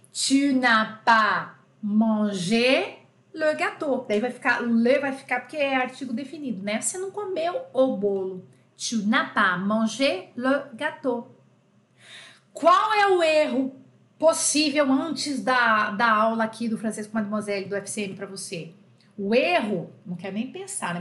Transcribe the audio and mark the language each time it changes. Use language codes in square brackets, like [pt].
[fr] Tu n'as pas mangé le gâteau. [pt] Daí vai ficar, le vai ficar porque é artigo definido, né? Você não comeu o bolo. [fr] Tu n'as pas mangé le gâteau. [pt] Qual é o erro possível antes da aula aqui do francês com mademoiselle do FCM para você? O erro, não quero nem pensar, né?